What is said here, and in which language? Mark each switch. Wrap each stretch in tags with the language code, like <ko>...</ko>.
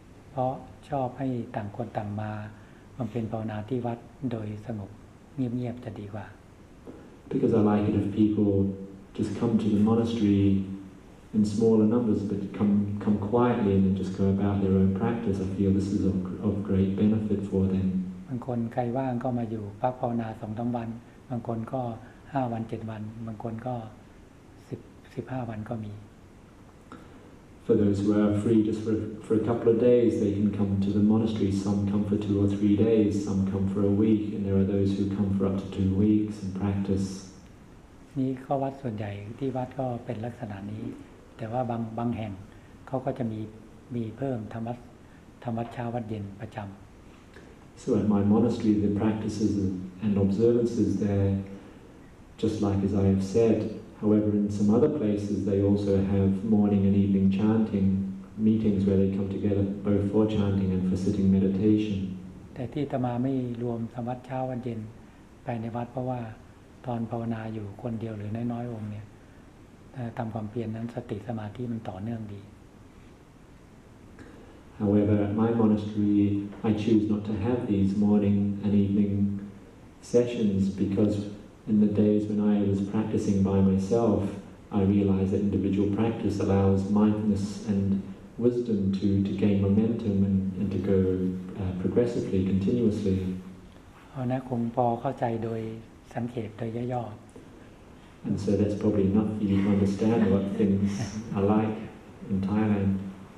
<th>เพราะชอบให้ต่างคนต่างมาบำเพ็ญภาวนาที่วัดโดยสงบเงียบๆจะดีกว่า</th> <en>Because I like it if people just come to the monasteryin smaller numbers but come quietly and then just go about their own practice I feel this is of great benefit for them</en> <th>บางคนใครว่างก็มาอยู่พักภาวนา2 3วันบางคนก็5วัน7วันบางคนก็10 15วันก็มี</th> <en>For those who are free just for a couple of days they can come to the monastery some come for 2 or 3 days some come for a week and there are those who come for up to 2 weeks and practice</en> <th>นี่ก็วัดส่วนใหญ่ที่วัดก็เป็นลักษณะนี้แต่ว่าบางแห่งเขาก็จะมีเพิ่มธรรมะเช้าวัดเย็นประจำ</th> <en>So at my monastery the practices and observances there just like as I have said however in some other places they also have morning and evening chanting meetings where they come together both for chanting and for sitting meditation</en> <th>แต่ที่ตมาไม่รวมธรรมะเช้าวัดเย็นไปในวัดเพราะว่าตอนภาวนาอยู่คนเดียวหรือน้อยองค์เนี่ยทำความเพียรนั้นสติสมาธิมันต่อเนื่องดี</th> <en>However at my monastery I choose not to have these morning and evening sessions because in the days when I was practicing by myself I realized that individual practice allows mindfulness and wisdom to gain momentum and to go progressively continuously</en> <th>นะคงพอเข้าใจโดยสังเขปโดยย่อๆ</th> <en>And so that's probably enough for you to understand what things are like in Thailand.</en>